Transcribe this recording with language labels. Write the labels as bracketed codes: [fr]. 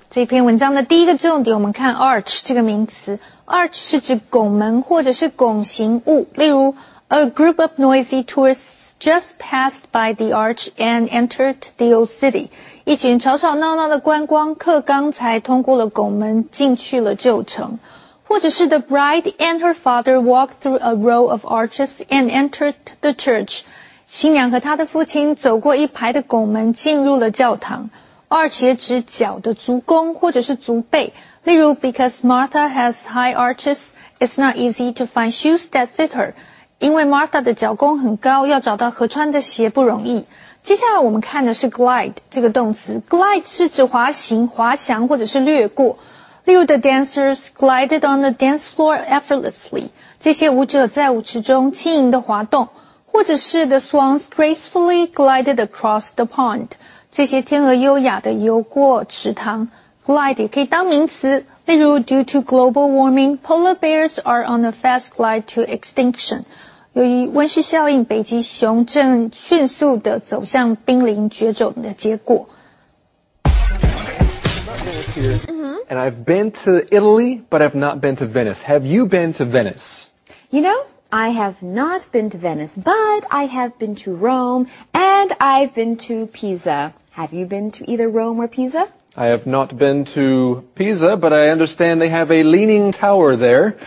[zh] 这篇文章的第一个重点，我们看 arch 这个名词。 Arch 是指拱门或者是拱形物。例如 [en] ，A group of noisy tourists just passed by the arch and entered the old city. [zh] 一群吵吵闹闹的观光客刚才通过了拱门，进去了旧城。或者是 [en] The bride and her father walked through a row of arches and entered the church. [zh] 新娘和她的父亲走过一排的拱门进入了教堂。 Arch 也指脚的足弓或者是足背。例如 [en] ,Because Martha has high arches, it's not easy to find shoes that fit her. [zh] 因为 Martha 的脚弓很高要找到合穿的鞋不容易。接下来我们看的是 glide, 这个动词。Glide 是指滑行、滑翔或者是掠过。例如 [en] ,The dancers glided on the dance floor effortlessly. [zh] 这些舞者在舞池中轻盈地滑动。或者是 [en] The swans gracefully glided across the pond. [zh] 这些天鹅优雅地游过池塘。 [en] Glide [zh] 也可以当名词。例如 [en] ,Due to global warming, polar bears are on a fast glide to extinction. [zh] 由于温室效应，北极熊正迅速地走向濒临绝种的结果。 [en] And I've been to Italy, but I've not been to Venice. Have you been to Venice? You know? I have not been to Venice, but I have been to Rome, and I've been to Pisa. Have you been to either Rome or Pisa? I have not been to Pisa, but I understand they have a leaning tower there.